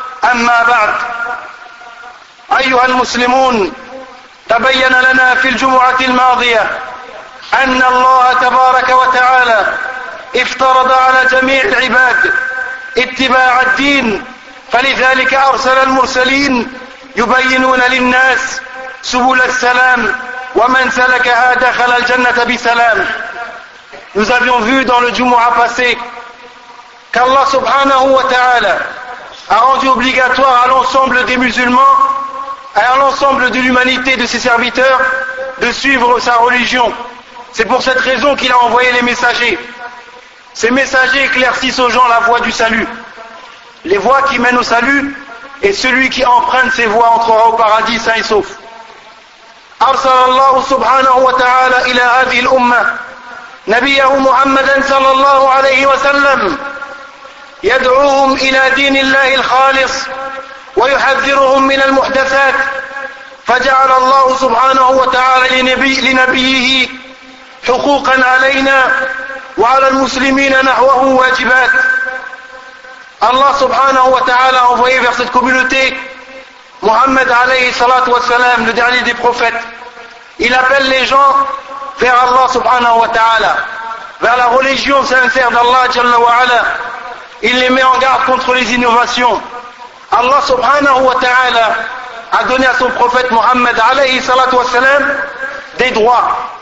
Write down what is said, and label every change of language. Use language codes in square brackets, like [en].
[ar] أما بعد، أيها المسلمون، تبين لنا في الجمعة الماضية أن الله تبارك وتعالى افترض على جميع العباد اتباع الدين، فلذلك أرسل المرسلين يبينون للناس سبل السلام، ومن سلكها دخل الجنة بسلام. [fr] Nous avions vu dans le Jumu'ah passé qu'Allah subhanahu wa ta'ala a rendu obligatoire à l'ensemble des musulmans et à l'ensemble de l'humanité, de ses serviteurs, de suivre sa religion. C'est pour cette raison qu'il a envoyé les messagers. Ces messagers éclaircissent aux gens la voie du salut. Les voies qui mènent au salut, et celui qui emprunte ces voies entrera au paradis sain et sauf. [ar] أرسل الله سبحانه وتعالى إلى هذه الأمة نبيه محمدا صلى الله عليه وسلم يدعوهم إلى دين الله الخالص ويحذرهم من المحدثات، فجعل الله سبحانه وتعالى لنبيه حقوقا علينا وعلى المسلمين نحوه واجبات. الله سبحانه وتعالى [fr] envoyé vers cette communauté [ar] محمد عليه الصلاة والسلام [fr] le dernier des prophètes. Il appelle les gens vers Allah subhanahu wa ta'ala, vers la religion sincère d'Allah jalla wa ala. Il les met en garde contre les innovations. Allah subhanahu wa ta'ala a donné à son prophète Muhammad alayhi salatu wa salam des droits.